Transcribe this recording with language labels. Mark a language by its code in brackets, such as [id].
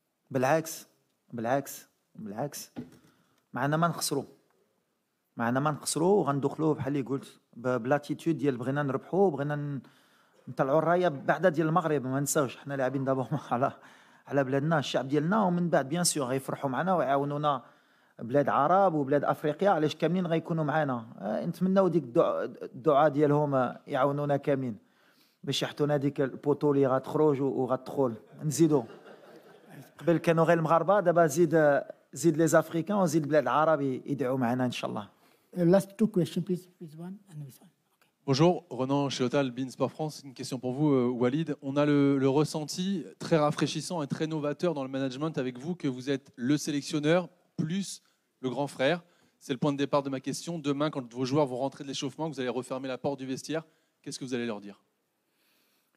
[ar] بالعكس معنا ما نخسروا وغندخلوا بحال اللي قلت بلاتيتود ديال بغينا نربحوا بغينا نطلعوا الرايه بعدا ديال المغرب ما نساوش حنا لاعبين دابا على بلادنا الشعب ديالنا ومن بعد بيان سور غيفرحوا معنا ويعاونونا بلاد عرب وبلاد افريقيا علاش كاملين غيكونوا معنا نتمنوا ديك الدعاء ديالهم يعاونونا كاملين باش يحطونا ديك البوطو اللي غتخرج وغتدخل نزيدوا قبل كانوا غير المغاربه دابا زيد لي افريكان وزيد بلاد العرب يدعوا معنا ان شاء الله. [en] Last two questions, please one and this one. [fr] Bonjour, Renan Chiotal, Bein Sport France. Une question pour vous, Walid. On a le ressenti très rafraîchissant et très novateur dans le management avec vous que vous êtes le sélectionneur plus le grand frère. C'est le point de départ de ma question. Demain, quand vos joueurs vont rentrer de l'échauffement, vous allez refermer la porte du vestiaire. Qu'est-ce que vous allez leur dire ?